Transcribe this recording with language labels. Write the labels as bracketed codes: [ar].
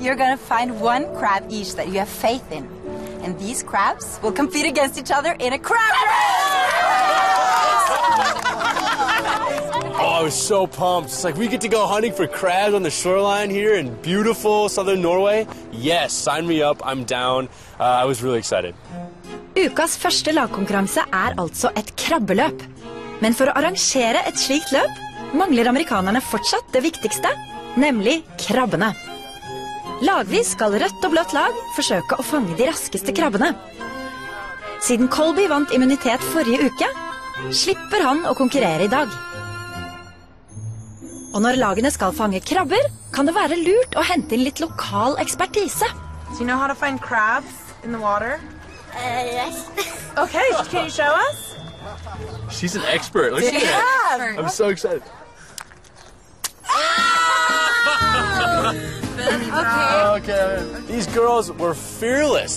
[en] You're going to find one crab each that you have faith in. And these crabs will compete against each other in a crab race! Oh, I was so pumped. It's like we get to go hunting for crabs on the shoreline here in beautiful southern Norway. Yes, sign me up. I'm down. I was really excited. [no] Ukas første lagkonkurranse altså et krabbeløp. Men for å arrangere et slikt løp, mangler amerikanerne fortsatt det viktigste, nemlig krabbene. Lagvis skal rødt og blått lag forsøke å fange de raskeste krabbene. Siden Colby vant immunitet forrige uke, slipper han å konkurrere I dag. Og når lagene skal fange krabber, kan det være lurt å hente inn litt lokal ekspertise. [en] Do you know how to find crabs in the water? Yes. Okay, can you show us? She's an expert. Look at that. I'm so excited. Okay. These girls were fearless.